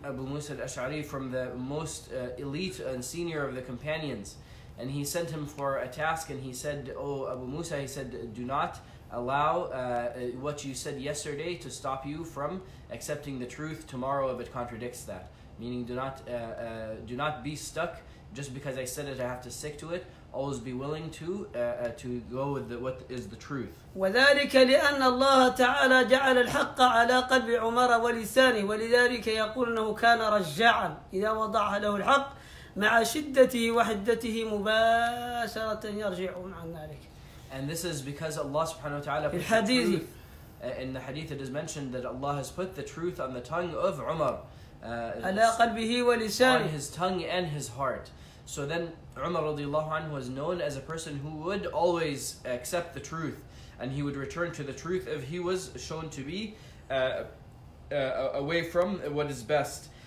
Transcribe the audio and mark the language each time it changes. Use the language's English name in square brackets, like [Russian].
[English] Abu Musa al-Ash'ari from the most elite and senior of the companions, and he sent him for a task, and he said, "Oh Abu Musa," he said, "do not allow what you said yesterday to stop you from accepting the truth tomorrow if it contradicts that." Meaning, do not be stuck just because I said it, I have to stick to it. Always be willing to go with what is the truth. [Arabic] وذلك لأن الله تعالى جعل الحق على قلب عمر ولسانه ولذلك يقول أنه كان رجعا إذا وضع له الحق مع شدته وحدته مباشرة يرجعون عن ذلك. [English] And this is because Allah subhanahu wa ta'ala put the truth, in the hadith it is mentioned that Allah has put the truth on the tongue of Umar. [Arabic] على قلبه ولسانه. [English] On his tongue and his heart. So then Umar radiallahu anhu was known as a person who would always accept the truth, and he would return to the truth if he was shown to be away from what is best.